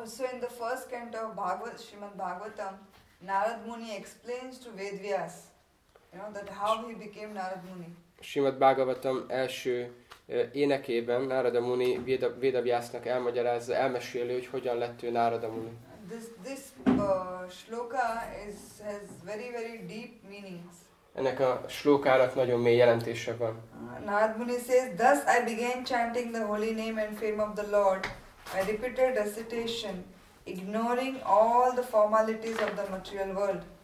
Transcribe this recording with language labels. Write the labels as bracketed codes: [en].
[en] Also in the first canto of Bhagavad, Srimad Bhagavatam, Narad Muni explains to Vedvyas, that how he became Narad Muni. [hu] Srimad Bhagavatam első énekében Narada Muni Vedavyasnak elmagyarázza, elmeséli, hogy hogyan lett ő Narada Muni. [en] This shloka has very, very deep meanings. [hu] Ennek a slókának nagyon mély jelentése van. [en] Narad Muni says, thus I began chanting the holy name and fame of the Lord by repeated recitation, ignoring all the formalities of the material world.